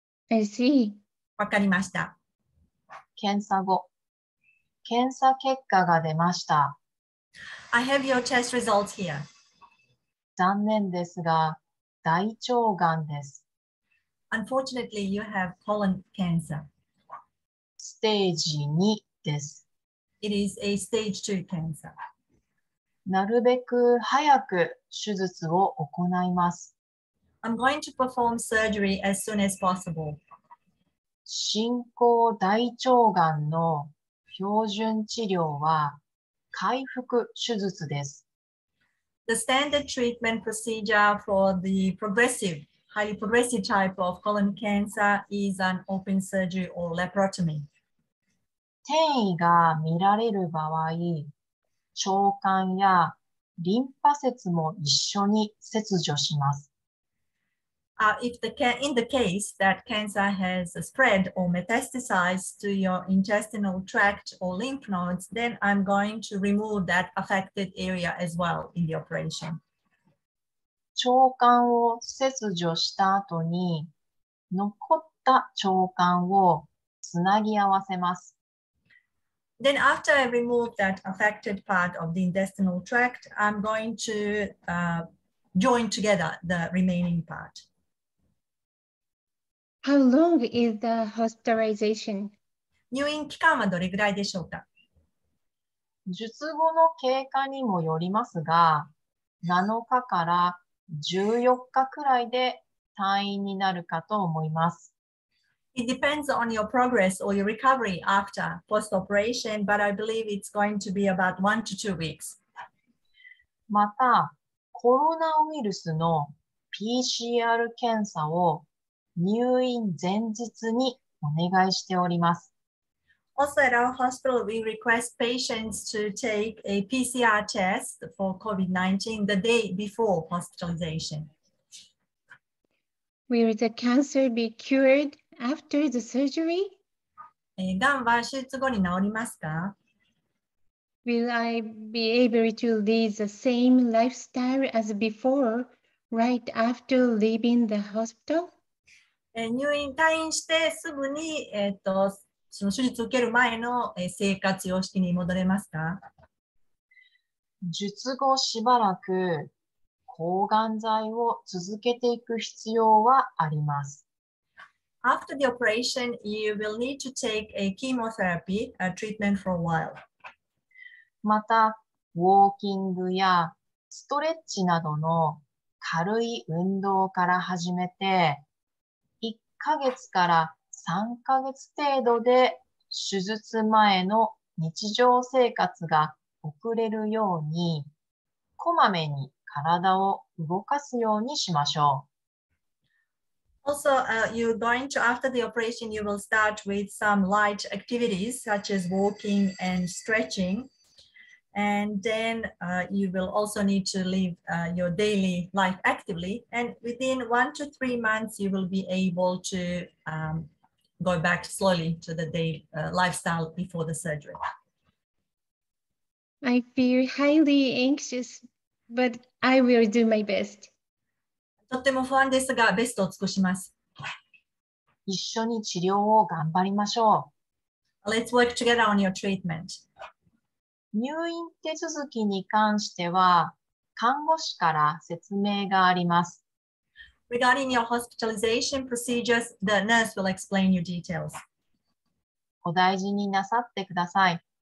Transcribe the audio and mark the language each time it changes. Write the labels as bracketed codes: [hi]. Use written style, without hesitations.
[en] I see. [ja] わかりました。検査後、検査結果が出ました。 [en] I have your test results here. [ja] 残念ですが、大腸がんです。 [en] Unfortunately, you have colon cancer. [ja] ステージ2です。 [en] It is a stage 2 cancer. [ja] なるべく早く手術を行います。 [en] I'm going to perform surgery as soon as possible. [ja] 進行大腸がんの標準治療は回復手術です。 [en] The standard treatment procedure for the progressive, highly progressive type of colon cancer is an open surgery or laparotomy. [ja] 転移が見られる場合、腸管やリンパ節も一緒に切除します。 [en] In the case that cancer has spread or metastasized to your intestinal tract or lymph nodes, then I'm going to remove that affected area as well in the operation. [ja] 腸管を切除した後に残った腸管をつなぎ合わせます。 [en] Then after I remove that affected part of the intestinal tract, I'm going to join together the remaining part. How long is the hospitalization? [ja] 入院期間はどれぐらいでしょうか？術後の経過にもよりますが、7日から14日くらいで退院になるかと思います。 [en] It depends on your progress or your recovery after post-operation, but I believe it's going to be about 1 to 2 weeks. [ja] また、コロナウイルスの PCR 検査を入院前日にお願いしております。 [en] Also at our hospital, we request patients to take a PCR test for COVID-19 the day before hospitalization. Will the cancer be cured after the surgery? [ja] がんは手術後に治りますか [en] ?Will I be able to lead the same lifestyle as before, right after leaving the hospital? [ja] 入院、退院してすぐに、その手術を受ける前の生活様式に戻れますか？術後しばらく抗がん剤を続けていく必要はあります。 [en] After the operation, you will need to take a chemotherapy, a treatment for a while. [ja] また、ウォーキングやストレッチなどの軽い運動から始めて、1ヶ月から3ヶ月程度で手術前の日常生活が送れるように、こまめに体を動かすようにしましょう。 [en] Also, you're going to, after the operation, you will start with some light activities such as walking and stretching. And then you will also need to live your daily life actively. And within 1 to 3 months, you will be able to go back slowly to the daily lifestyle before the surgery. I feel highly anxious, but I will do my best. [ja] とっても不安ですが、ベストを尽くします。一緒に治療を頑張りましょう。 [en] Let's work together on your treatment. [ja] 入院手続きに関しては、看護師から説明があります。 [en] Regarding your hospitalization procedures, the nurse will explain your details. [ja] お大事になさってください。